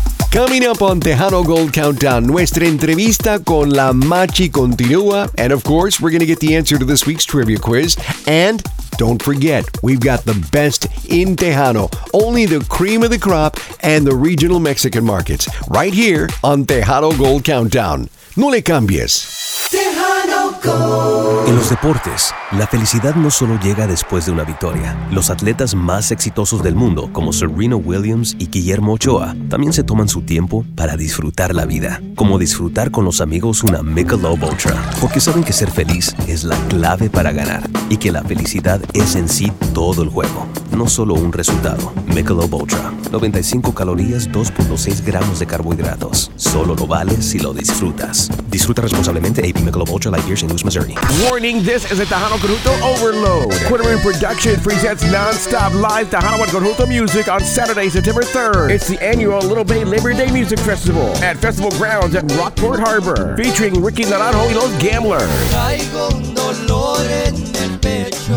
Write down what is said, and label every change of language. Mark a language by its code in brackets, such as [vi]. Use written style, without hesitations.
[en] Coming up on Tejano Gold Countdown, [es] nuestra entrevista con La Machi continúa. [en] And of course, we're going to get the answer to this week's trivia quiz. And don't forget, we've got the best in Tejano, only the cream of the crop and the regional Mexican markets, right here on Tejano Gold Countdown. [es] No le cambies. En los deportes, la felicidad no solo llega después de una victoria. Los atletas más exitosos del mundo, como Serena Williams y Guillermo Ochoa, también se toman su tiempo para disfrutar la vida. Como disfrutar con los amigos una Michelob Ultra. Porque saben que ser feliz es la clave para ganar. Y que la felicidad es en sí todo el juego. No solo un resultado. Michelob Ultra. 95 calorías, 2.6 gramos de carbohidratos. Solo lo vale si lo disfrutas. Disfruta responsablemente AP Michelob Ultra Light Beer, St. Louis, Missouri. [en] Warning, this is a Tejano Conjunto Overload. Quitterman Production presents non-stop live Tejano and Conjunto music on Saturday, September 3rd. It's the annual Little Bay Labor Day Music Festival at Festival Grounds at Rockport Harbor. Featuring Ricky Naranjo y Los Gamblers. [es] Traigo un dolor en el pecho.